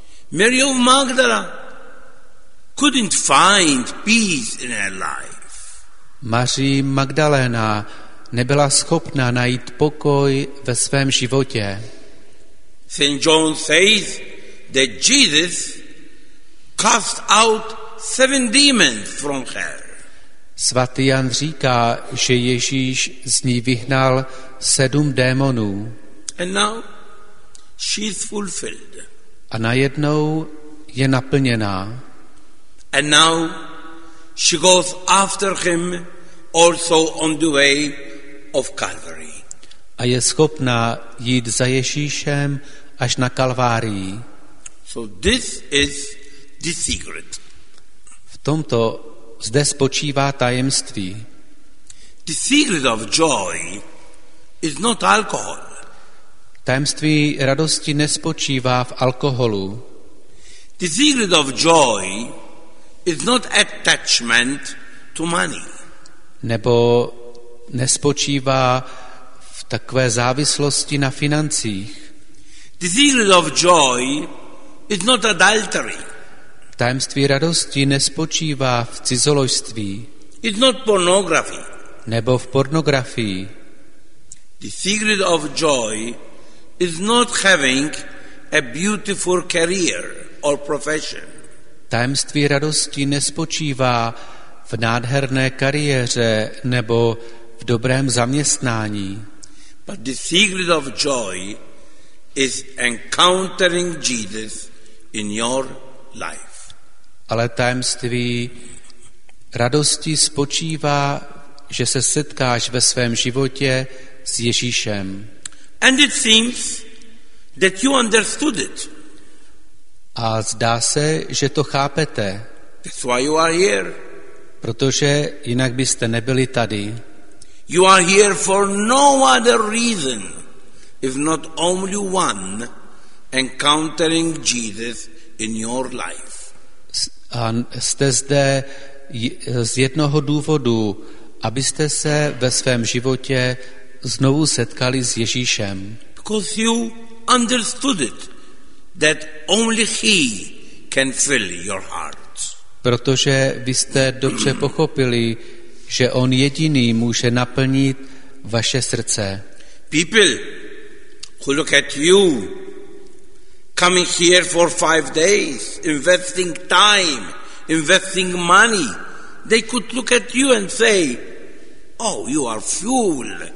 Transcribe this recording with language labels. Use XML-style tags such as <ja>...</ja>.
<en>Mary of Magdala couldn't find peace in her life.</en> <cs>Marie Magdalena nebyla schopna najít pokoj ve svém životě.</cs> <en>St. John says that Jesus cast out seven demons from her.</en> <cs>Svatý Jan říká, že Ježíš z ní vyhnal sedm démonů.</cs> <en>And now She is fulfilled.</en> <cs>A najednou je naplněná.</cs> <en>And now she goes after him also on the way of Calvary.</en> <cs>A je schopná jít za Ježíšem až na Kalvárii.</cs> <en>So this is the secret.</en> <cs>V tomto zde spočívá tajemství.</cs> <en>The secret of joy is not alcohol.</en> <cs>Tajemství radosti nespočívá v alkoholu.</cs> <en>The secret of joy is not attachment to money.</en> <cs>Nebo nespočívá v takové závislosti na financích.</cs> <en>The secret of joy is not adultery.</en> <cs>Tajemství radosti nespočívá v cizoložství.</cs> <en>It's not pornography.</en> <cs>Nebo v pornografii.</cs> <en>The secret of joy is not having a beautiful career or profession.</en> <cs>Tajemství radosti nespočívá v nádherné kariéře nebo v dobrém zaměstnání.</cs> <en>But the secret of joy is encountering Jesus in your life.</en> <cs>Ale tajemství radosti spočívá, že se setkáš ve svém životě s Ježíšem.</cs> <en>And it seems that you understood it.</en> <cs>A zdá se, že to chápete.</cs> <en>That's why you are here.</en> <cs>Protože jinak byste nebyli tady.</cs> <en>You are here for no other reason, if not only one, encountering Jesus in your life.</en> <cs>A jste zde z jednoho důvodu, abyste se ve svém životě znovu setkali s Ježíšem.</cs> <en>Because you understood it, that only he can fill your heart.</en> <cs>Protože vy jste dobře pochopili, že on jediný může naplnit vaše srdce.</cs> <en>People who look at you coming here for 5 days, investing time, investing money, they could look at you and say, oh, you are fool.</en>